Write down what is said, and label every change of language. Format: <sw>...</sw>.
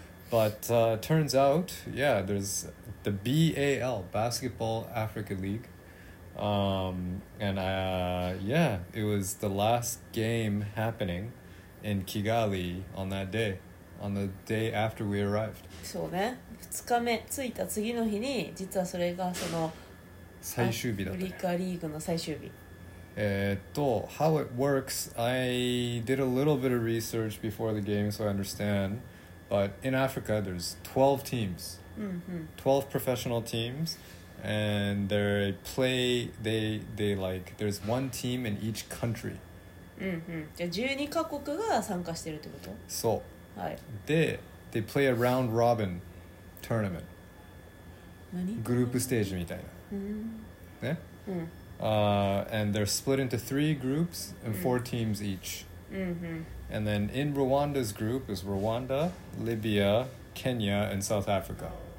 <en>But、turns out, yeah, there's the BAL, Basketball Africa League.、and I, yeah, it was the last game happening in Kigali on that day, on the day after we arrived.</en> <ja>そうね。2日目着いた次の日に、実はそれがその最終日だったね。アフリカリーグの最終日。</ja> <en>How it works, I did a little bit of research before the game so I understand, but in Africa there's 12 teams, 12 professional teams, and they play, they like, there's one team in each country.</en> <ja>じゃあ12カ国が参加してるってこと? そう。はい。</ja> <en>で、they play a round robin tournament.</en> <ja>何? グループステージみたいな。うん。ね? うん。</ja> <en>And they're split into three groups and four teams each. And then in Rwanda's group is Rwanda, Libya, Kenya, and South Africa.</en>